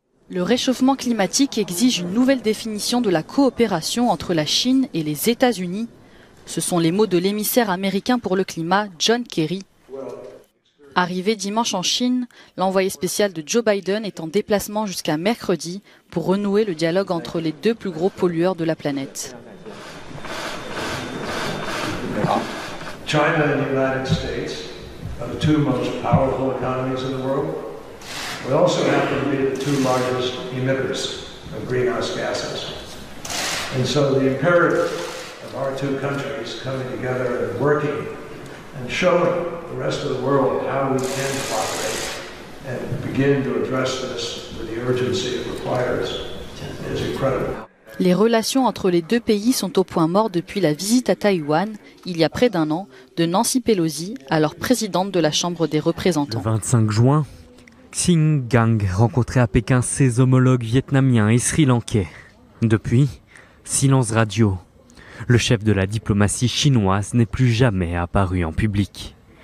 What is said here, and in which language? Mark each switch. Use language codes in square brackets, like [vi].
[fr] Le réchauffement climatique exige une nouvelle définition de la coopération entre la Chine et les États-Unis. Ce sont les mots de l'émissaire américain pour le climat, John Kerry. Arrivé dimanche en Chine, l'envoyé spécial de Joe Biden est en déplacement jusqu'à mercredi pour renouer le dialogue entre les deux plus gros pollueurs de la planète. [en] China and the United States are the two most powerful economies in the world. We also happen to be the two largest emitters of greenhouse gases. And so the imperative of our two countries coming together and working and showing the rest of the world how we can cooperate and begin to address this with the urgency it requires is incredible. [fr] Les relations entre les deux pays sont au point mort depuis la visite à Taïwan, il y a près d'un an, de Nancy Pelosi, alors présidente de la Chambre des représentants. Le 25 juin, Xi Jinping rencontrait à Pékin ses homologues vietnamiens et sri-lankais. Depuis, silence radio. Le chef de la diplomatie chinoise n'est plus jamais apparu en public.